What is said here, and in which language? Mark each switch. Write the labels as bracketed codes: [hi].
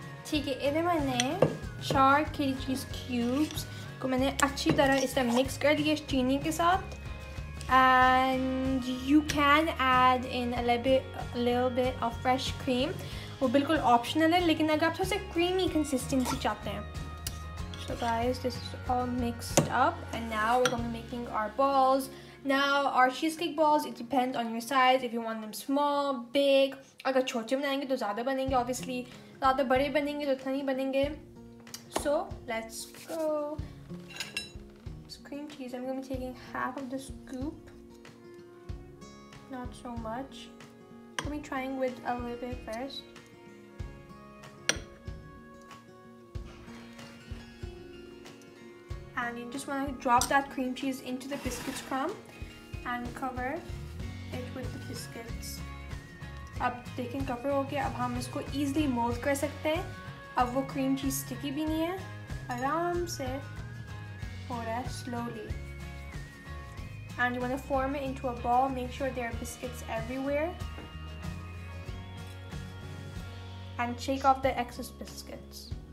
[hi] ठीक है, इधर मैंने 4 Kiri cheese cubes को मैंने अच्छी तरह इस तरह मिक्स कर दिया चीनी के साथ. [en] and you can add in little bit of fresh cream, [hi] वो बिल्कुल ऑप्शनल है, लेकिन अगर आप थोड़ा सा क्रीमी कंसिस्टेंसी चाहते हैं. [en] So guys, this is all mixed up and now we are gonna be making our balls. Now our cheesecake balls, it depends on your size, if you want them small, big. [hi] अगर छोटे बनाएंगे तो ज़्यादा बनेंगे obviously, ज़्यादा बड़े बनेंगे तो उतना नहीं बनेंगे. [en] So let's go. Cream cheese, I'm gonna be taking half of the scoop. Not so much. I'm gonna be trying with a little bit first. And you just wanna drop that cream cheese into the biscuits crumb. And cover it with the biscuits. [hi] अब देखें cover हो गया, अब हम इसको easily mould कर सकते हैं. अब वो क्रीम चीज स्टिकी भी नहीं है, आराम से हो रहा है slowly. [en] And one form into a ball, make sure there are biscuits everywhere and shake off the excess biscuits.